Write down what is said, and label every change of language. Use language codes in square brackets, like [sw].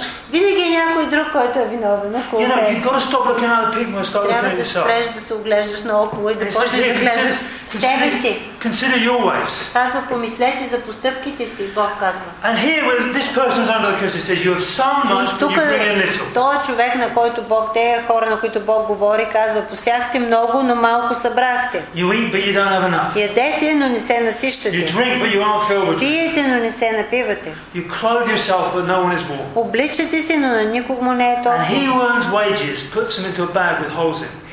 [bg] Винаги е някой друг, който е виновен. Трябва да спреш да се оглеждаш наоколо и да почнеш да гледаш себе си. [en] Consider your ways. [bg] Казва, помислете за постъпките си, Бог казва. [en] And here, when this person's under the curse, he says, you have sown much, but you've been little. [bg] Той човек, на който Бог, те хора, на които Бог говори, казва, посяхте много, но малко събрахте. [en] You eat, but you don't have enough. [bg] Ядете, но не се насищате. [en] You drink, but you aren't filled with drink. [bg] Пиете, но не се напивате. [en] You clothe yourself, but no one is warm. [bg] Обличате се, но на никого не е топло. [en] And he earns wages, puts them into a bag with holes in.